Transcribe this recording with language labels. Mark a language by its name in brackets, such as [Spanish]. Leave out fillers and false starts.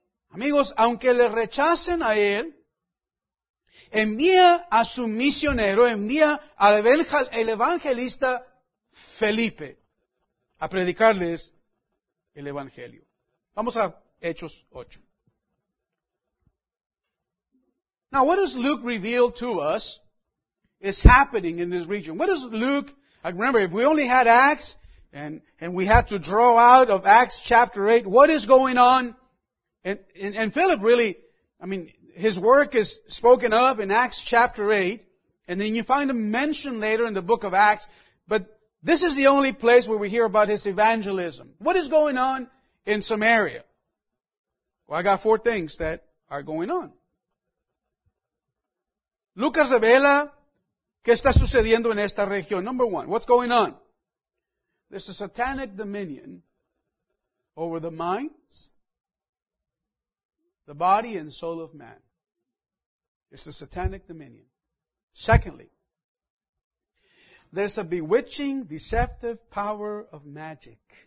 [Spanish] Amigos, aunque le rechacen a él, envía a su misionero, envía al evangelista Felipe a predicarles el evangelio. Vamos a Hechos 8. [English] Now, what does Luke reveal to us is happening in this region? What does Luke, I remember, if we only had Acts and we had to draw out of Acts chapter 8, what is going on? And Philip really, I mean, his work is spoken of in Acts chapter 8, and then you find him mentioned later in the book of Acts, but this is the only place where we hear about his evangelism. What is going on in Samaria? Well, I got four things that are going on. [Spanish] Lucas revela qué está sucediendo en esta región. [English] Number one, what's going on? There's a satanic dominion over the minds, the body and soul of man. It's a satanic dominion. Secondly, there's a bewitching, deceptive power of magic.